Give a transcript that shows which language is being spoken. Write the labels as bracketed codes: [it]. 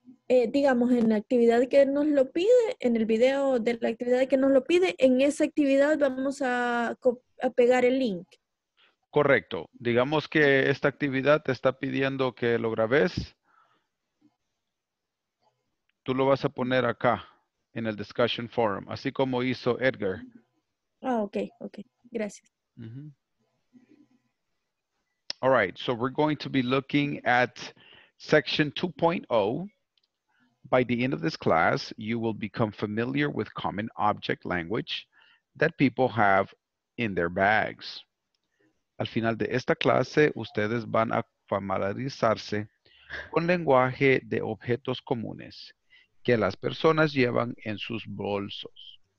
[es] Digamos, en la actividad que nos lo pide, en el video de la actividad que nos lo pide, en esa actividad vamos a pegar el link. Correcto. Digamos que esta actividad te está pidiendo que lo grabes. Tú lo vas a poner acá, en el discussion forum, así como hizo Edgar. Ah, ok. Gracias. Mm-hmm. [en] All right, so we're going to be looking at section 2.0. By the end of this class, you will become familiar with common object language that people have in their bags. [es] Al final de esta clase, ustedes van a familiarizarse con lenguaje de objetos comunes que las personas llevan en sus bolsos.